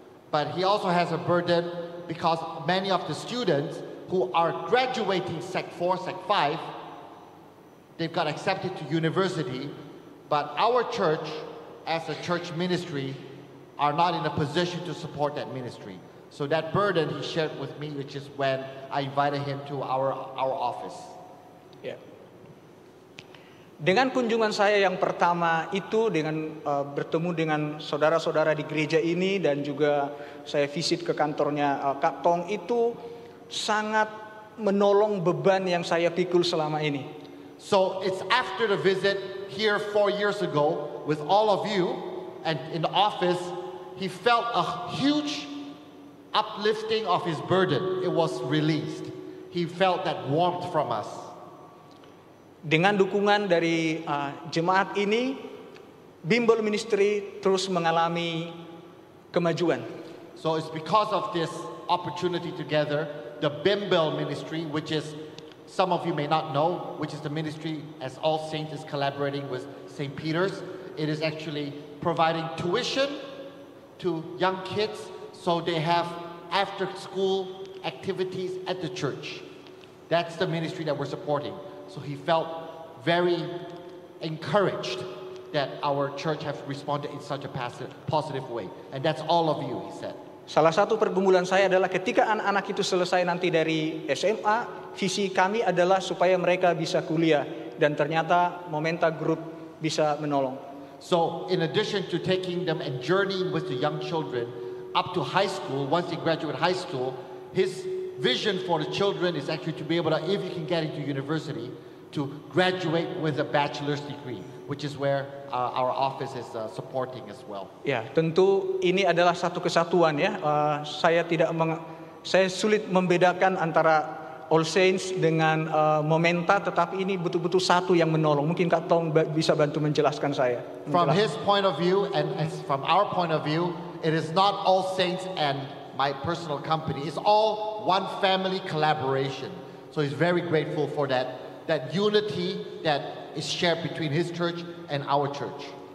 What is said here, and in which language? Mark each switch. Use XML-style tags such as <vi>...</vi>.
<en>But he also has a burden because many of the students who are graduating Sec 4, Sec 5, they've got accepted to university, but our church, as a church ministry, are not in a position to support that ministry. So that burden he shared with me, which is when I invited him to our office. Yeah.</en> <id>Dengan kunjungan saya yang pertama itu, dengan bertemu dengan saudara-saudara di gereja ini, dan juga saya visit ke kantornya Kak Tong, itu sangat menolong beban yang saya pikul selama ini.</id> <en>So it's after the visit here 4 years ago with all of you and in the office, he felt a huge uplifting of his burden. It was released. He felt that warmth from us.</en> <id>Dengan dukungan dari jemaat ini, Bimbel Ministry terus mengalami kemajuan.</id> <en>So it's because of this opportunity together, the Bimbel Ministry, which is, some of you may not know, which is the ministry as All Saints is collaborating with St. Peter's. It is actually providing tuition to young kids, so they have after school activities at the church. That's the ministry that we're supporting. So he felt very encouraged that our church have responded in such a positive way. And that's all of you, he said.</en> <id>Salah satu pergumulan saya adalah ketika anak-anak itu selesai nanti dari SMA, visi kami adalah supaya mereka bisa kuliah. Dan ternyata Momenta Group bisa menolong.</id> <en>So in addition to taking them and journeying with the young children up to high school, once they graduate high school, his vision for the children is actually to be able to, if you can get into university, to graduate with a bachelor's degree, which is where our office is supporting as well.</en> <id>Ya, tentu ini adalah satu kesatuan ya. Saya sulit membedakan antara All Saints dengan Momenta, tetapi ini betul-betul satu yang menolong. Mungkin Kak Tong bisa bantu menjelaskan saya.</id> <en>From his point of view and as from our point of view, it is not All Saints and my personal company. It's all one family collaboration. So he's very grateful for that unity that is shared between his church and our church.</en>